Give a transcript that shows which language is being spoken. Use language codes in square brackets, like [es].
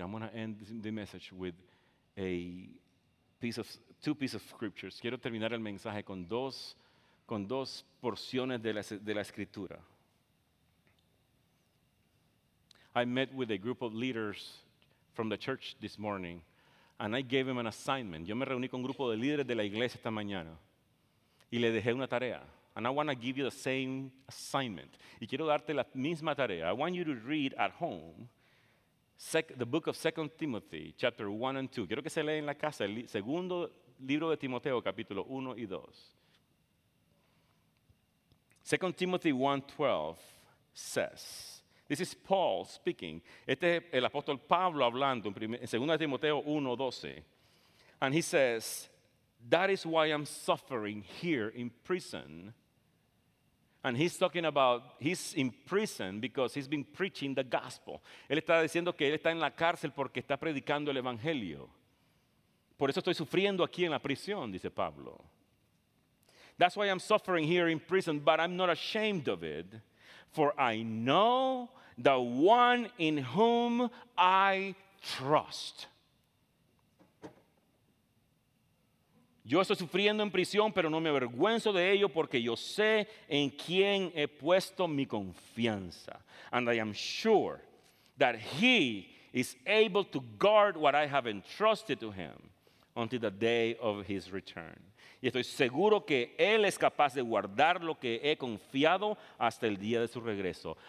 [en] I'm going to end the message with two pieces of scriptures. [es] Quiero terminar el mensaje con dos porciones de la escritura. [en] I met with a group of leaders from the church this morning, and I gave them an assignment. [es] Yo me reuní con un grupo de líderes de la iglesia esta mañana, y le dejé una tarea. [en] And I want to give you the same assignment. [es] Y quiero darte la misma tarea. [en] I want you to read at home the book of 2 Timothy, chapter 1 and 2. [es] Quiero que se lea en la casa el segundo libro de Timoteo, capítulo 1 y 2. [en] 2 Timothy 1:12 says, this is Paul speaking. [es] Este es el apóstol Pablo hablando en 2 Timoteo 1:12. [en] And he says, that is why I'm suffering here in prison. And he's talking about, he's in prison because he's been preaching the gospel. [es] Él está diciendo que él está en la cárcel porque está predicando el evangelio. Por eso estoy sufriendo aquí en la prisión, dice Pablo. [en] That's why I'm suffering here in prison, but I'm not ashamed of it. For I know the one in whom I trust. [es] Yo estoy sufriendo en prisión, pero no me avergüenzo de ello porque yo sé en quién he puesto mi confianza. [en] And I am sure that he is able to guard what I have entrusted to him until the day of his return. [es] Y estoy seguro que él es capaz de guardar lo que he confiado hasta el día de su regreso.